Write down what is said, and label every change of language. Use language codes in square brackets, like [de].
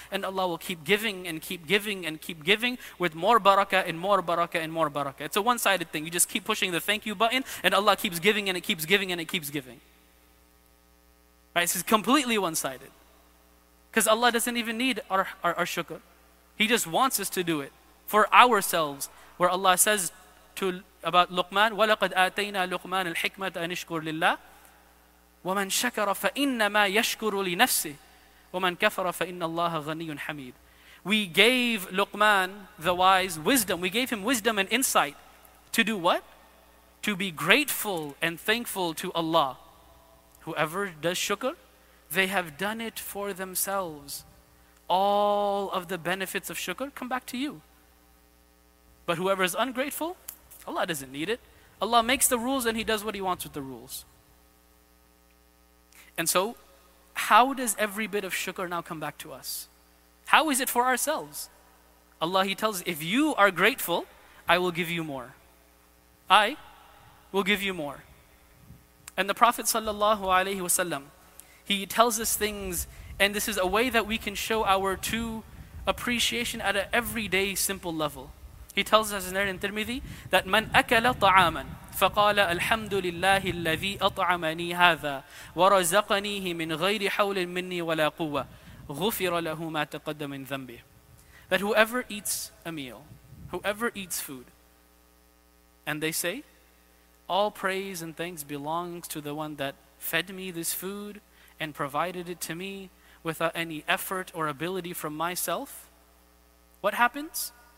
[en] And Allah will keep giving and keep giving and keep giving with more barakah and more barakah and more barakah. It's a one-sided thing. You just keep pushing the thank you button and Allah keeps giving and it keeps giving and it keeps giving. Right? This is completely one-sided. Because Allah doesn't even need our shukr. He just wants us to do it for ourselves. Where Allah says about Luqman, [ar] وَلَقَدْ آتَيْنَا لُقْمَانَ الْحِكْمَةَ أَنِشْكُرْ لِلَّهِ وَمَنْ شَكَرَ فَإِنَّمَا يَشْكُرُ لِنَفْسِهِ وَمَنْ كَفَرَ فَإِنَّ اللَّهَ غَنِيٌّ حَمِيدٌ. [en] We gave Luqman, the wise, wisdom. We gave him wisdom and insight to do what? To be grateful and thankful to Allah. Whoever does shukr, they have done it for themselves. All of the benefits of shukr come back to you. But whoever is ungrateful, Allah doesn't need it. Allah makes the rules and He does what He wants with the rules. And so, how does every bit of shukr now come back to us? How is it for ourselves? Allah, He tells, if you are grateful, I will give you more. I will give you more. And the Prophet sallallahu alaihi wasallam, he tells us things, and this is a way that we can show our true appreciation at an everyday simple level. He tells us in Narrated in Tirmidhi that [ar] man akala ta'aman فَقَالَ أَلْحَمْدُ لِلَّهِ الَّذِي أَطْعَمَنِي هَذَا وَرَزَقَنِيهِ مِنْ غَيْرِ حَوْلٍ مِنِّي وَلَا قُوَّةٍ غُفِرَ لَهُ مَا تَقَدَّمَ مِنْ ذَنْبِهِ. [en] That whoever eats a meal, whoever eats food, and they say, all praise and thanks belongs to the one that fed me this food and provided it to me without any effort or ability from myself, what happens?